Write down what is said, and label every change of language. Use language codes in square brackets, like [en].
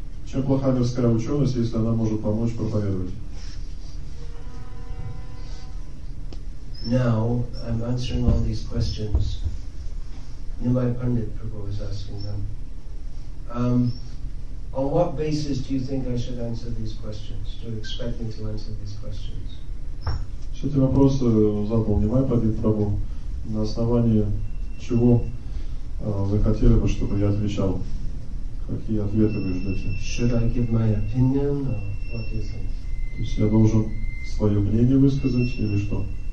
[ru] Чем плоха мирская ученость, если она может помочь проповедовать? [en] Now I'm answering all these questions. Nimai Pandit Prabhu was asking them. On what basis do you think I should answer these questions? Do you expect me to answer these questions? [ru] Все эти вопросы задал Нимай Пандит Прабху. На основании чего вы хотели бы, чтобы я отвечал? Какие ответы вы ждете? [en] Should I give my opinion or what do you think? [ru] То есть я должен свое мнение высказать или что?